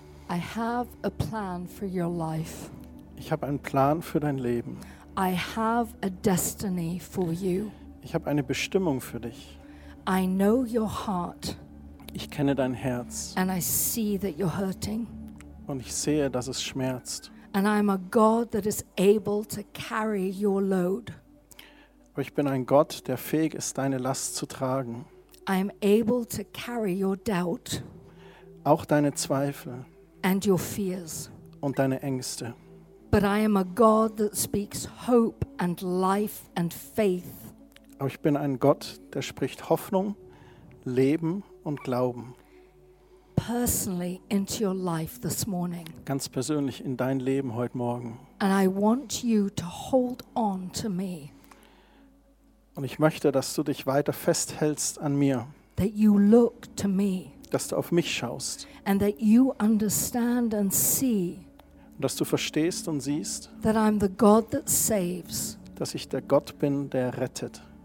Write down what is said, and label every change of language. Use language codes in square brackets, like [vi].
[en] I have a plan for your life. [de] Ich habe einen Plan für dein Leben. [en] I have a destiny for you. [de] Ich habe eine Bestimmung für dich. [en] I know your heart. [de] Ich kenne dein Herz. [en] And I see that you're hurting. [de] Und ich sehe, dass es schmerzt. [en] And I'm a God that is able to carry your load. [de] Aber ich bin ein Gott, der fähig ist, deine Last zu tragen. [en] I'm able to carry your doubt. [de] Auch deine Zweifel. [en] And your fears. [de] Und deine Ängste. [en] But I am a God that speaks hope and life and faith. [de] Aber ich bin ein Gott, der spricht Hoffnung, Leben und Glauben. [en] Personally into your life this morning. [de] Ganz persönlich in dein Leben heute Morgen. [en] And I want you to hold on to me. [de] Und ich möchte, dass du dich weiter festhältst an mir. [en] That you look to me. [de] Dass du auf mich schaust. [en] And that you understand and see. [de] Und dass du verstehst und siehst. [en] That I'm the God that saves. [de] Dass ich der Gott bin, der rettet.